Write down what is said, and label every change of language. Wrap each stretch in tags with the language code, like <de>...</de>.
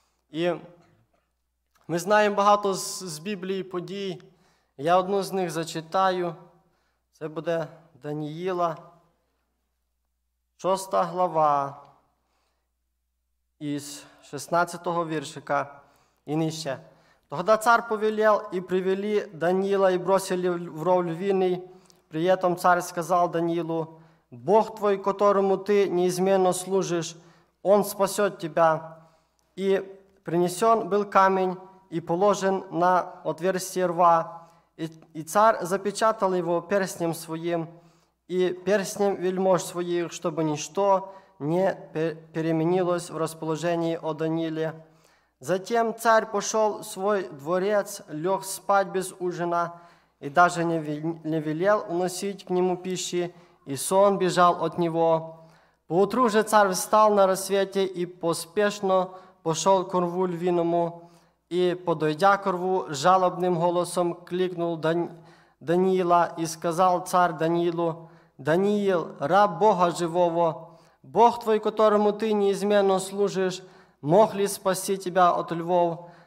<uk>І ми знаємо багато з Біблії подій. Я одну з них зачитаю. Це буде Даніїла, 6 глава, із 16-го віршика і нижче.</uk> <ru>Тогда цар повелел і привели Даниила і бросили в ров львиний. При этом цар сказав Даниилу: Бог твой, которому ти неизменно служиш, он спасет тебя. І принесен был камень і положен на отверстие рва. І цар запечатал его перстнем своим і перстнем вельмож</ru> <uk>своїх, щоб ніщо</uk> <ru>не переменилось в розположенні о Данииле. Затем царь пошел в свой дворец, лег спать без ужина и даже не велел уносить к нему пищи, и сон бежал от него. Поутру же царь встал на рассвете и поспешно пошел к рву львиному, и, подойдя к рву, жалобным голосом кликнул Даниила и сказал царь Даниилу: «Даниил, раб Бога живого, Бог твой, которому ты неизменно служишь, мог ли спасти тебя от львов?»</ru>